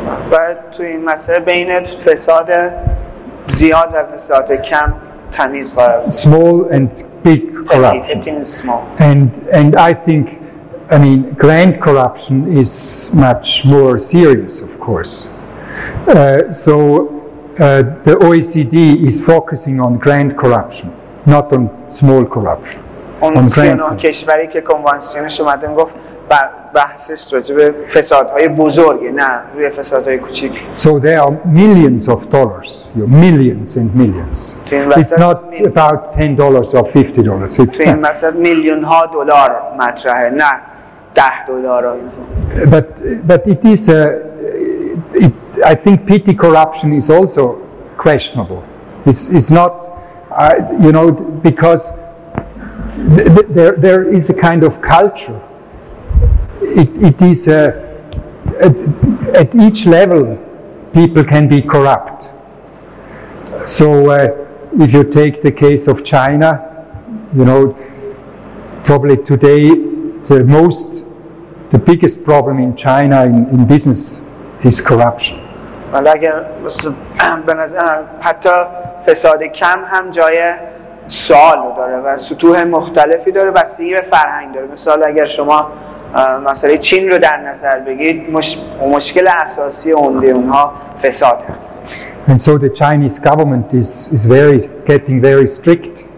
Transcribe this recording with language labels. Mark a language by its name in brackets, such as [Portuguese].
[Persian] باید توی این مسئله بین فساد زیاد و فساد کم تمیز باید. [English] Small and big corruption. It is small. And I think, I mean, grand corruption is much more serious, of course. So the OECD is focusing on grand corruption, not on small corruption. [Persian] اون کشوری که کنوانسیونش اومده گفت بحثش راجع به فسادهای بزرگه، نه روی فسادهای کوچیک. [English] So there are millions of dollars, millions and millions. It's not about $10 or $50. [Persian] تو این مثلا میلیون ها دلار مطرحه، نه ده دلار. [English] But it is a, it, I think petty corruption is also questionable. It's not, you know, because there is a kind of culture. It is at each level, people can be corrupt. So if you take the case of China, you know, probably today the biggest problem in China in business is corruption. [Persian] ولی اگر به نظر حتی فساد کم هم جای سوال داره و سطوح مختلفی داره و بستگی به فرهنگ داره. مثلا اگر شما مسئله چین رو در نظر بگید، مشکل اساسی عمده اونها فساد هست. [English] And so the Chinese government is very getting very strict.